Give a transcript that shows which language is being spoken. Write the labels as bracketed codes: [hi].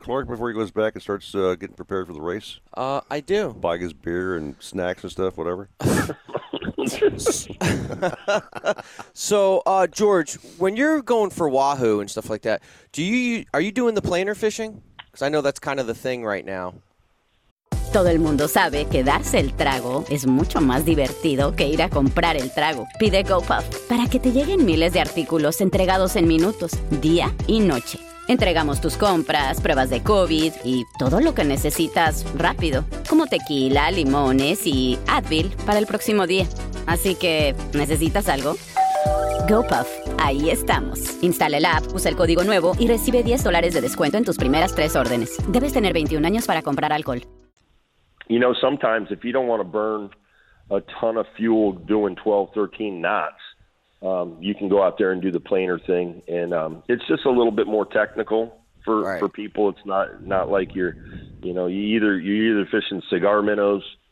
[en] Clark before he goes back and starts getting prepared for the race? I do. Buy his beer and snacks and stuff, whatever. So, George, when you're going for Wahoo and stuff like that, are you doing the planer fishing? Because I know that's kind of the thing right now. [es] Todo el mundo sabe que darse el trago es mucho más divertido que ir a comprar el trago. Pide GoPuff para que te lleguen miles de artículos entregados en minutos, día y noche. Entregamos tus compras, pruebas de COVID y todo lo que necesitas rápido, como tequila, limones y Advil para el próximo día. Así que, ¿necesitas algo? GoPuff, ahí estamos. Instala el app, usa el código nuevo y recibe $10 de descuento en tus primeras 3 órdenes. Debes tener 21 años para comprar alcohol. [en] You know, sometimes if you don't want to burn a ton of fuel doing 12, 13 knots, you can go out there and do the planer thing. And it's just a little bit more technical for, right. for people. It's not like you're, you know, you're either fishing cigar minnows.